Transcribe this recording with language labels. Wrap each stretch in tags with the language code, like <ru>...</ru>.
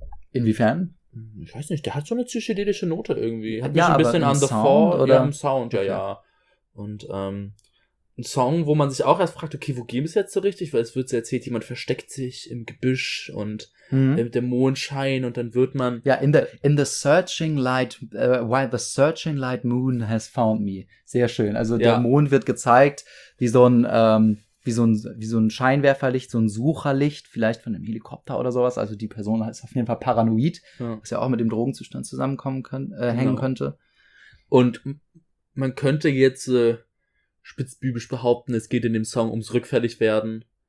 <de>Inwiefern? Ich weiß nicht, der hat so eine psychedelische Note irgendwie. Hat ja, mich ein bisschen an The Fall oder im Sound, ja, okay, ja. Und ein Song, wo man sich auch erst fragt, okay, wo gehen wir es jetzt so richtig? Weil es wird so erzählt, jemand versteckt sich im Gebüsch und mit dem Mondschein, und dann wird man.</de> <en>Ja, in the searching light, while the searching light moon has found me.</en> <de>Sehr schön. Also ja, der Mond wird gezeigt wie so ein Scheinwerferlicht, so ein Sucherlicht, vielleicht von einem Helikopter oder sowas. Also die Person ist auf jeden Fall paranoid, ja, was ja auch mit dem Drogenzustand zusammenkommen hängen könnte. Und man könnte jetzt spitzbübisch behaupten, es geht in dem Song ums Rückfälligwerden.</de>